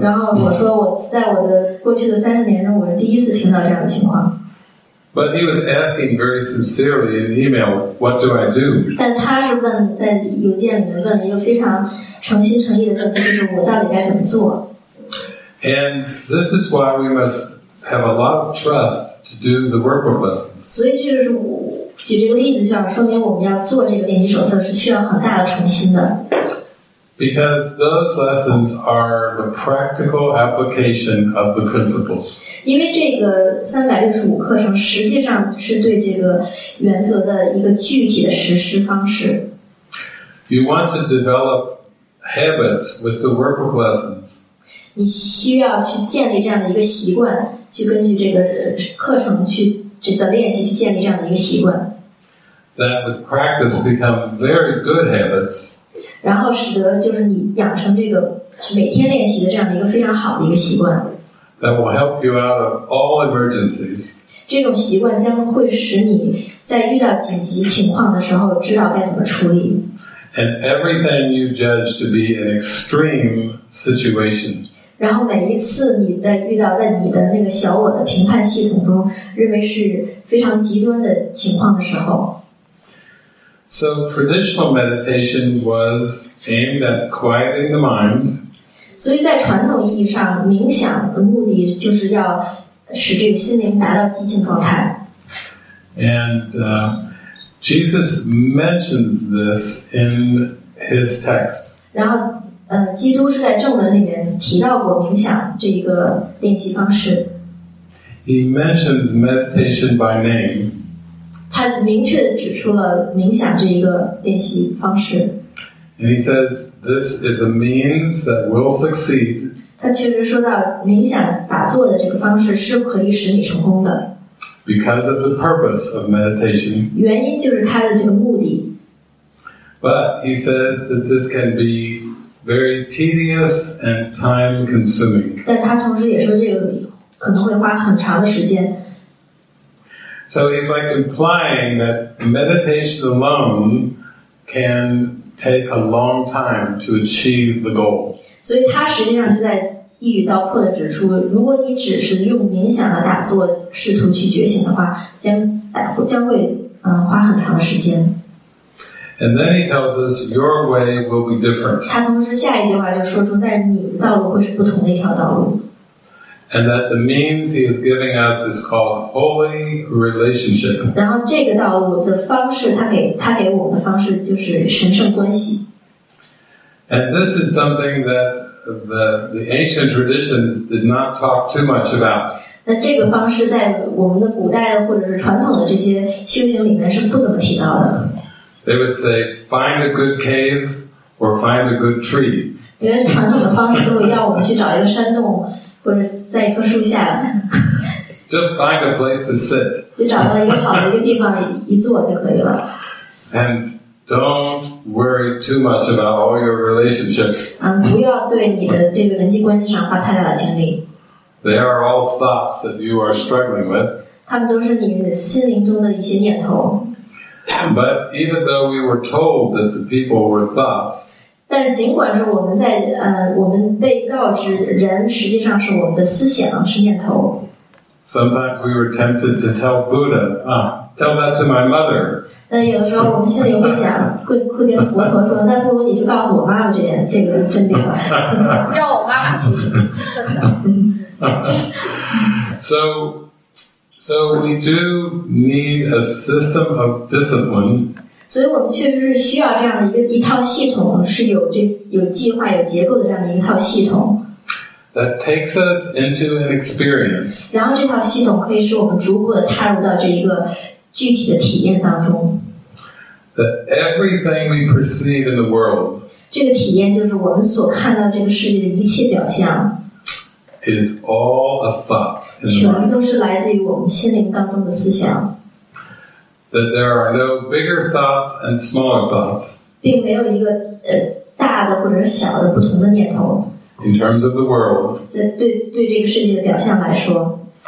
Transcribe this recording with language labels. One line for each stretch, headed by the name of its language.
Chinese: 然后我说我在我的过去的30年中，我是第一次听到这样的情况。
English: But he was asking very sincerely in email, what do I do?
Chinese: 但他是问在邮件里问一个非常诚心诚意的问题，就是我到底该怎么做。
English: And this is why we must have a lot of trust to do the workbook lessons.
Chinese: 所以就是举这个例子，就要说明我们要做这个练习手册是需要很大的诚心的。
English: Because those lessons are the practical application of the principles.
Chinese: 因为这个365课程实际上是对这个原则的一个具体的实施方式。
English: You want to develop habits with the workbook lessons.
Chinese: 你需要去建立这样的一个习惯，去根据这个课程去这个练习去建立这样的一个习惯。
English: That with practice become very good habits.
Chinese: 然后使得就是你养成这个每天练习的这样的一个非常好的一个习惯。
English: That will help you out of all emergencies.
Chinese: 这种习惯将会使你在遇到紧急情况的时候知道该怎么处理。
English: And everything you judge to be an extreme situation.
Chinese: 然后每一次你在遇到在你的那个小我的评判系统中认为是非常极端的情况的时候。
English: So traditional meditation was aimed at quieting the mind.
Chinese: 所以在传统意义上，冥想的目的就是要使这个心灵达到寂静状态。
English: And Jesus mentions this in his text.
Chinese: 然后，基督是在正文里面提到过冥想这一个练习方式。
English: He mentions meditation by name.
Chinese: 他明确地指出了冥想这一个练习方式。
English: And he says, this is a means that will succeed.
Chinese: 他确实说到冥想打坐的这个方式是可以使你成功的。
English: Because of the purpose of meditation.
Chinese: 原因就是他的这个目的。
English: But he says that this can be very tedious and time consuming.
Chinese: 但他同时也说这个可能会花很长的时间。
English: So he's like implying that meditation alone can take a long time to achieve the goal.
Chinese: 所以他实际上是在一语道破地指出，如果你只是用冥想的打坐试图去觉醒的话，将会花很长的时间。
English: And then he tells us your way will be different.
Chinese: 他同时下一句话就说出，但是你的道路会是不同的一条道路。
English: And that the means he is giving us is called holy relationship.
Chinese: 然后这个道路的方式他给我们的方式就是神圣关系。
English: And this is something that the ancient traditions did not talk too much about.
Chinese: 那这个方式在我们的古代或者是传统的这些修行里面是不怎么提到的。
English: They would say, find a good cave or find a good tree.
Chinese: 因为传统的方式都会要我们去找一个山洞或者在一棵树下。
English: Just find a place to sit.
Chinese: 就找到一个好的一个地方一坐就可以了。
English: And don't worry too much about all your relationships.
Chinese: 不要对你的这个人际关系上花太大的精力。
English: They are all thoughts that you are struggling with.
Chinese: 他们都是你心灵中的一些念头。
English: But even though we were told that the people were thoughts,
Chinese: 但是尽管说我们在我们被告知人实际上是我们的思想是念头。
English: Sometimes we were tempted to tell Buddha, tell that to my mother.
Chinese: 但有的时候我们心里会想，会哭点佛陀说，那不如你去告诉我妈妈这个真理吧，叫我妈妈去。
English: So we do need a system of discipline.
Chinese: 所以我们确实是需要这样的一套系统，是有计划、有结构的这样的一套系统。
English: That takes us into an experience.
Chinese: 然后这套系统可以使我们逐步的踏入到这一个具体的体验当中。
English: That everything we perceive in the world.
Chinese: 这个体验就是我们所看到这个世界的一切表象。
English: Is all a thought
Chinese: 全都是来自于我们心灵当中的思想。
English: That there are no bigger thoughts and smaller thoughts.
Chinese: 并没有一个大的或者小的不同的念头。
English: In terms of the world.
Chinese: 对这个世界的表象来说。